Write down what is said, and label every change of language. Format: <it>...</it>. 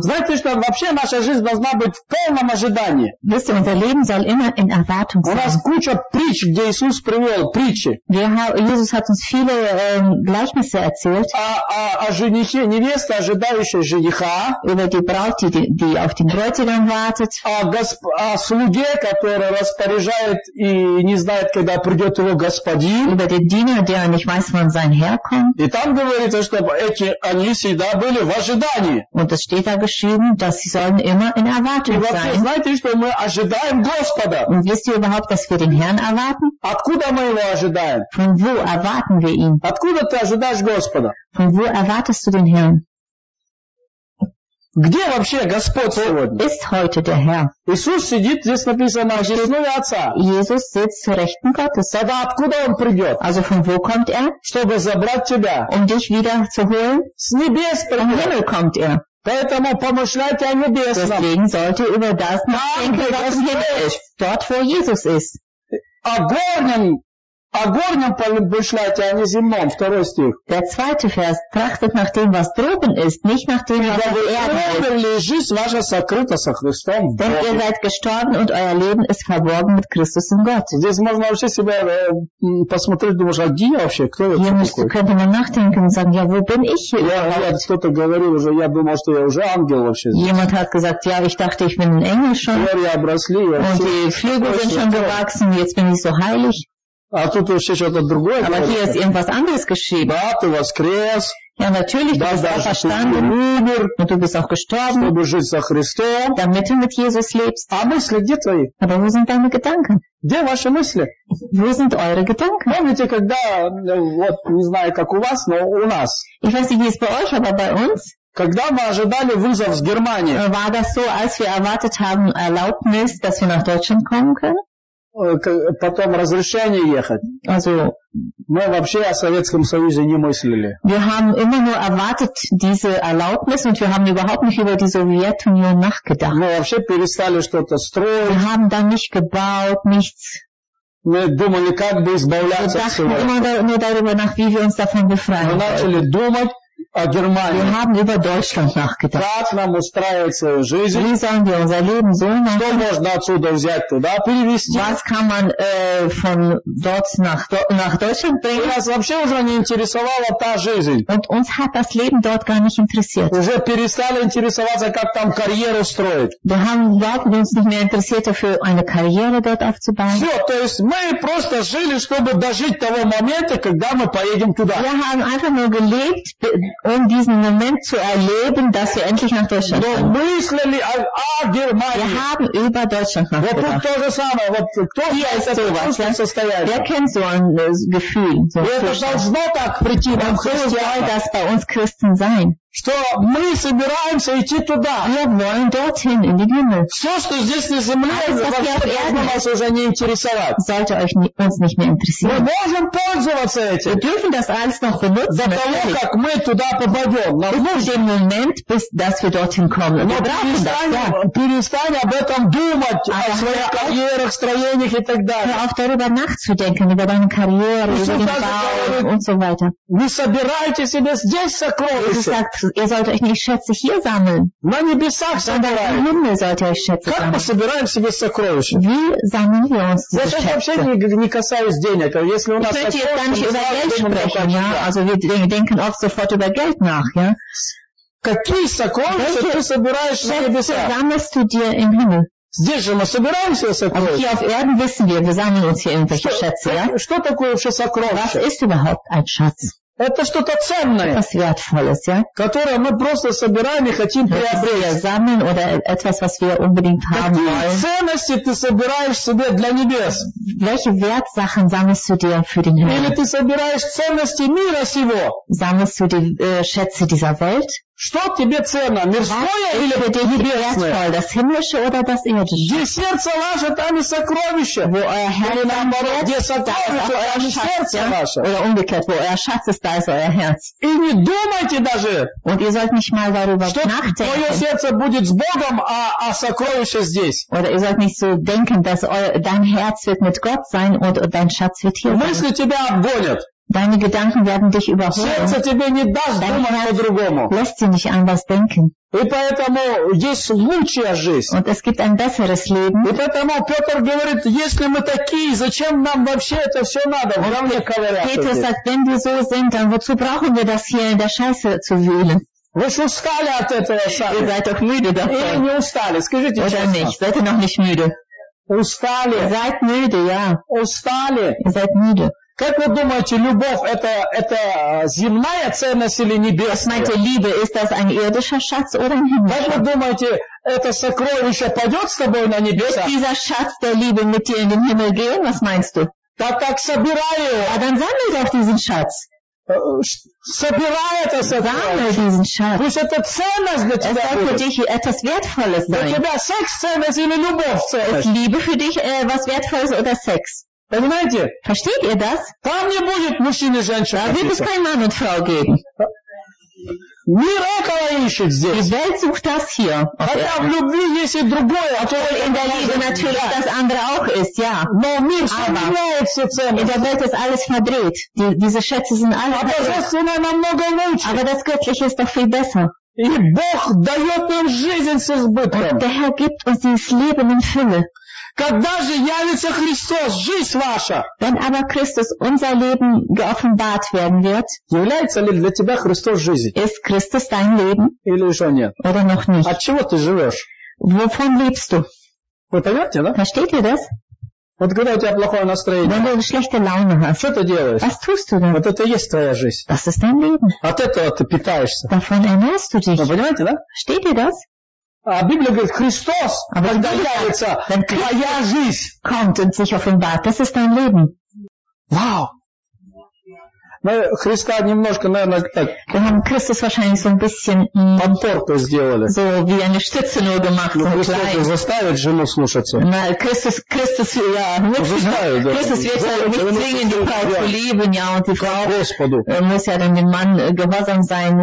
<ru>Знаете, что вообще наша жизнь должна быть в полном ожидании.</ru> <de>Wisst ihr, unser Leben soll immer in Erwartung sein.</de> <ru>У нас куча притч, где Иисус привел, притчи.</ru> <de>Jesus hat uns viele Gleichnisse erzählt.</de> <ru>О женихе, невеста, ожидающая жениха.</ru> <de>Über die Braut, die auf den Bräutigam wartet.</de> <ru>О слуге, который распоряжает и не знает, когда придет его господин.</ru> <de>Über den Diener, der nicht weiß, wann sein Herr kommt.</de> <ru>И там говорится, что эти они всегда были в ожидании.</ru> <de>Und es steht da geschrieben, dass sie sollen immer in Erwartung sein.</de> <ru>И вообще, знаете, что мы ожидаем Господа?</ru> <de>Und wisst ihr überhaupt, dass wir den Herrn erwarten?</de> <ru>Откуда мы его ожидаем?</ru> <de>Von wo erwarten wir ihn?</de> <ru>Откуда ты ожидаешь Господа?</ru> <de>Von wo erwartest du den Herrn?</de> <ru>Где вообще Господь сегодня?</ru> <de>Ist heute der Herr.</de> <ru>Иисус сидит, здесь написано, одесную Отца.</ru> <de>Jesus sitzt zur Rechten Gottes.</de> <ru>Тогда откуда Он придет?</ru> <de>Also von wo kommt er?</de> <ru>Чтобы забрать тебя.</ru> <de>Um dich wieder zu holen?</de> <ru>С небес придет.</ru> <de>Vom Himmel kommt er.</de> <ru>Поэтому помышляйте о небесном.</ru> <de>Deswegen sollte über das nachdenken, was im Himmel ist.</de> <ru>Dort, wo Jesus ist. О горнем помышляйте, а не земном. Второй стих.</ru> <de>Der zweite Vers. Trachtet nach dem, was droben ist, nicht nach dem, was auf Erden ist.</de> <ru>Лежит ваше сокрыто со Христом.</ru> <de>Denn ihr seid gestorben und euer Leben ist verborgen mit Christus in Gott.</de> <ru>Здесь можно вообще себя посмотреть, думаешь, а где я вообще? Кто я?</ru> <de>Hier könnte man nachdenken und sagen, ja, wo bin ich hier? Ja, aber</de> <ru>кто-то говорил уже, я думал, что я уже ангел вообще.</ru> <de>Jemand hat gesagt, ja, ich dachte, ich bin ein Engel schon. Und die Flügel sind schon gewachsen, jetzt bin ich so heilig.</de> <ru>А тут вообще что-то другое.</ru> <de>Aber hier ist irgendwas anderes geschrieben.</de> <ru>Да, ты воскрес.</ru> <de>Ja, natürlich,</de> <ru>да,</ru> <de>du bist auch verstanden.</de> <ru>Умер,</ru> <de>und du bist auch gestorben.</de> <ru>Чтобы жить со Христом.</ru> <de>Damit du mit Jesus lebst.</de> <ru>А мысли где твои?</ru> <de>Aber wo sind deine Gedanken?</de> <ru>Где ваши мысли?</ru> <de>Wo sind eure Gedanken?</de> <ru>Помните, когда, вот, не знаю, как у вас, но у нас.</ru> <de>Ich weiß nicht, wie es bei euch, aber bei uns.</de> <ru>Когда мы ожидали вызов с Германии.</ru> <de>War das so, als wir erwartet haben, Erlaubnis, dass wir nach Deutschland kommen können?</de> <ru>Потом разрешение ехать.</ru> <de>Also,</de> <ru>мы вообще о Советском Союзе не мыслили.</ru> <de>Wir haben immer nur erwartet diese Erlaubnis und wir haben überhaupt nicht über die Sowjetunion nachgedacht.</de> <ru>Мы вообще перестали что-то строить.</ru> <de>Wir haben dann nicht gebaut, nichts.</de> <ru>Мы думали, как бы избавляться от всего.</ru> <de>Wir dachten immer nur darüber nach, wie wir uns davon befreien.</de> <ru>Мы начали думать. о Германии.</ru> <de>Wir haben über Deutschland nachgedacht.</de> <ru>Как нам устраивается жизнь?</ru> <de>Wie sollen wir unser Leben so machen?</de> <ru>Что можно отсюда взять туда перевести?</ru> <de>Was kann man von dort nach Deutschland bringen?</de> <ru>Нас вообще уже не интересовала та жизнь.</ru> <de>Und uns hat das Leben dort gar nicht interessiert.</de> <ru>Уже перестали интересоваться, как там карьеру строить.</ru> <de>Wir haben uns nicht mehr interessiert, für eine Karriere dort aufzubauen.</de> <ru>Все, то есть мы просто жили, чтобы дожить того момента, когда мы поедем туда.</ru> <de>Wir haben einfach nur gelebt, um diesen Moment zu erleben, dass wir endlich nach Deutschland kommen. Wir haben über Deutschland nachgedacht. Hier ist sowas. Wer kennt so ein Gefühl? Wer soll das bei uns Christen sein?</de> <ru>Что мы собираемся идти туда. Я знаю, дотин, и не видно. Все, что здесь на земле, вас уже не интересовать. Мы можем пользоваться этим.</ru> <de>Wir dürfen das alles noch benutzen.</de> <ru>До того, как мы туда попадем. Нам нужен момент,</ru> <de>dass wir dorthin kommen.</de> <ru>Но перестань об этом думать, о своих карьерах, строениях и так далее.</ru> <de>Auch darüber nachzudenken, über deine Karriere, über den Bau und so weiter.</de> <ru>Не собирайте себе здесь сокровища.</ru> <de>Ihr sollt euch nicht Schätze hier sammeln. Nein, ihr besagt, sondern im Himmel sollt ihr euch Schätze sammeln. Wie sammeln wir uns diese Schätze? Ich möchte jetzt gar nicht über Geld sprechen. Ja? Also wir denken oft sofort über Geld nach. Ja?</de> <ru>Какие сокровища ты собираешь на небесах?</ru> <de>Sammelst du dir im Himmel?</de> <ru>Здесь же мы собираемся сокровища.</ru> <de>Auf Erden wissen wir sammeln uns hier irgendwelche Schätze. Ja?</de> <ru>Что такое вообще сокровище?</ru> <de>Was ist überhaupt ein Schatz?</de> <ru>Это что-то ценное,</ru> <de>wertvolles, ja?</de> <ru>Которое мы просто собираем и хотим приобрести.</ru> <de>Oder etwas, was wir unbedingt haben wollen.</de> <ru>Какие ценности ты собираешь себе для небес?</ru> <de>Welche Wertsachen sammelst du dir für den Himmel?</de> <ru>Или ты собираешь ценности мира сего?</ru> <de>Sammelst du die Schätze dieser Welt?</de> <ru>Что тебе ценно, мирское или небесное?</ru> <de>Das himmlische oder das irdische?</de> <ru>Где сердце ваше, там и сокровище.</ru> <de>Wo euer Herz ist, da ist auch euer Schatz. Oder umgekehrt, wo euer Schatz ist, da ist euer Herz.</de> <ru>И не думайте даже.</ru> <de>Und ihr sollt nicht mal darüber nachdenken.</de> <ru>Что твое сердце будет с Богом, а сокровище здесь.</ru> <de>Oder ihr sollt nicht so denken, dass dein Herz wird mit Gott sein und dein Schatz wird hier sein.</de> <ru>Мысли тебя обгонят.</ru> <de>Deine Gedanken werden dich überholen.</de> <ru>Дайте по-другому.</ru> <de>Lässt sie nicht anders denken.</de> <ru>И поэтому есть лучшая жизнь.</ru> <de>Und es gibt ein besseres Leben.</de> <ru>И поэтому Петр говорит, если мы такие, зачем нам вообще это все надо? Главное, ковыряться.</ru> <de>Петр sagt, wenn wir so sind, dann wozu brauchen wir das hier in der Scheiße zu wühlen?</de> <ru>Вы же устали от этого сами.</ru> <de>Ihr seid doch müde davon.</de> <ru>Или не устали, скажите</ru> <de>Oder</de> <ru>честно.</ru> <de>Nicht. Seid ihr noch nicht müde?</de> <ru>Устали.</ru> <de>Ihr seid müde, ja.</de> <ru>Устали.</ru> <de>Ihr seid müde.</de> <ru>Как вы думаете, любовь это земная ценность или небесная?</ru> <de>Liebe, ist das ein irdischer Schatz oder ein himmlischer?</de> <ru>Как вы думаете, это сокровище пойдет с тобой на небеса?</ru> <de>Dieser Schatz der Liebe mit dir in den Himmel gehen, was meinst du?</de> <ru>Так собираю.</ru> <de>А dann sammel doch diesen Schatz.</de> <ru>Собирай это сокровище. Пусть это ценность для тебя.</ru> <de>Es soll für dich etwas Wertvolles sein.</de> <ru>Для тебя секс ценность или любовь ценность?</ru> <de>Ist Liebe für dich was Wertvolles oder Sex?</de> <ru>Понимаете?</ru> <de>Versteht ihr das?</de> <ru>Там не будет мужчин и женщин.</ru> <de>Da wird es kein Mann und Frau geben.</de> <ru>Мир этого ищет здесь.</ru> <de>Die Welt sucht das hier.</de> <ru>Хотя в любви есть и другое.</ru> <de>Obwohl in der Liebe natürlich das andere auch ist, ja.</de> <ru>Но мир сомневает все ценно.</ru> <de>In der Welt ist alles verdreht. Diese Schätze sind alle</de> <ru>Божественное намного лучше.</ru> <de>Aber das Göttliche ist doch viel besser.</de> <ru>И Бог дает нам жизнь с избытком.</ru> <de>Der Herr gibt uns dieses Leben in Fülle.</de> <ru>Когда же явится Христос, жизнь ваша?</ru> <de>Wenn aber Christus unser Leben geoffenbart werden wird,</de> <ru>является ли для тебя Христос жизнь?</ru> <de>Ist Christus dein Leben?</de> <ru>Или еще нет?</ru> <de>Oder noch nicht?</de> <ru>От чего ты живешь?</ru> <de>Wovon lebst du?</de> <ru>Вы понимаете, да?</ru> <de>Versteht ihr das?</de> <ru>Вот когда у тебя плохое настроение.</ru> <de>Wenn du eine schlechte Laune hast.</de> <ru>Что ты делаешь?</ru> <de>Was tust du denn?</de> <ru>Вот это и есть твоя жизнь.</ru> <de>Das ist dein Leben.</de> <ru>От этого ты питаешься.</ru> <de>Davon ernährst du dich.</de> <ru>Вы понимаете, да?</ru> <de>Versteht ihr das?</de> <ru>А Библия говорит, Христос, когда явится, твоя жизнь.</ru> <de>Kommt und sich offenbart. Das ist dein Leben. Вау!</de> <ru>Мы Христа немножко, наверное, так...</ru> <de>Wir haben Christus wahrscheinlich so ein bisschen...</de> <ru>Подпорку сделали.</ru> <de>So wie eine Stütze nur gemacht.</de> <ru>Ну, Христос заставит жену слушаться.</ru> <de>Na, Christus, ja.</de> <ru>Заставит, да.</ru> <de>Christus wird ja nicht zwingen, die Frau zu lieben, ja. Und die Frau</de> <ru>Господу.</ru> <de>Muss ja dann dem Mann gehorsam sein.</de>